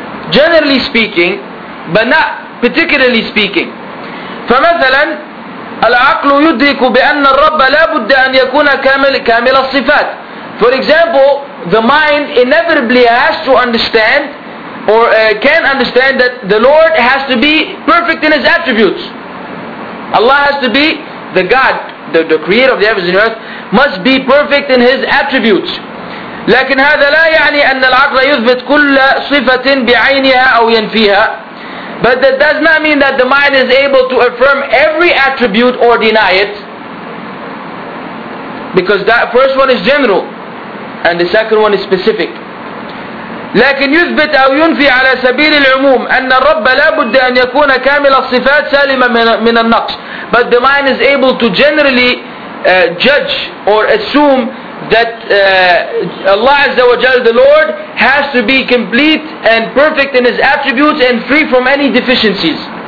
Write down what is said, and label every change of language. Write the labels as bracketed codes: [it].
[en] Generally speaking, but not particularly speaking. [ar] فمثلا العقل يدرك بأن الرب لا بد أن يكون كامل الصفات. [en] For example, the mind inevitably has to understand, or can understand, that the Lord has to be perfect in His attributes. Allah has to be the God, the creator of the heavens and earth, must be perfect in His attributes. [ar] لكن هذا لا يعني أن العقل يثبت كل صفة بعينها أو ينفيها. [en] But that does not mean that the mind is able to affirm every attribute or deny it. Because that first one is general and the second one is specific. [ar] لكن يثبت أو ينفي على سبيل العموم أن الرب لا بد أن يكون كامل الصفات سالما من النقص. [en] But the mind is able to generally judge or assume that Allah Azza wa Jal, the Lord, has to be complete and perfect in His attributes and free from any deficiencies.